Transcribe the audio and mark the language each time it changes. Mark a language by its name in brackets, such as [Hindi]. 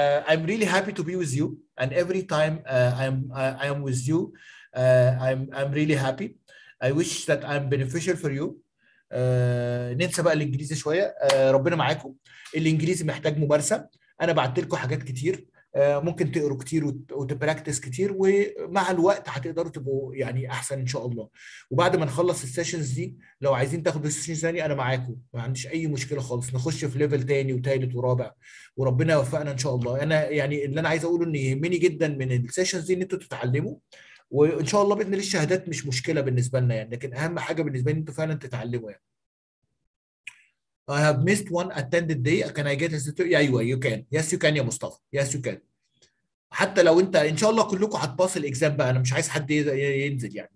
[English] I'm really happy to be with you, and every time I am with you, I'm really happy. I wish that I'm beneficial for you. [Arabic] ننسى بقى الانجليزي شويه. ربنا معاكم. الانجليزي محتاج ممارسه. انا بعت لكم حاجات كتير. ممكن تقروا كتير وتبراكتس كتير، ومع الوقت هتقدروا تبقوا يعني احسن ان شاء الله. وبعد ما نخلص السيشنز دي، لو عايزين تاخدوا سيشن ثاني انا معاكم، ما عنديش اي مشكله خالص. نخش في ليفل ثاني وثالث ورابع، وربنا يوفقنا ان شاء الله. انا يعني اللي انا عايز اقوله ان يهمني جدا من السيشنز دي ان انتوا تتعلموا، وان شاء الله باذن الله الشهادات مش مشكله بالنسبه لنا يعني، لكن اهم حاجه بالنسبه لي ان انتوا فعلا تتعلموا يعني. [English] I have missed one attended day. Can I get a certificate? Yeah, you can. Yes, you can, يا مصطفى. Yes, you can. [Arabic] حتى لو انت ان شاء الله كلكم هتباص الاكزام بقى، انا مش عايز حد ينزل يعني.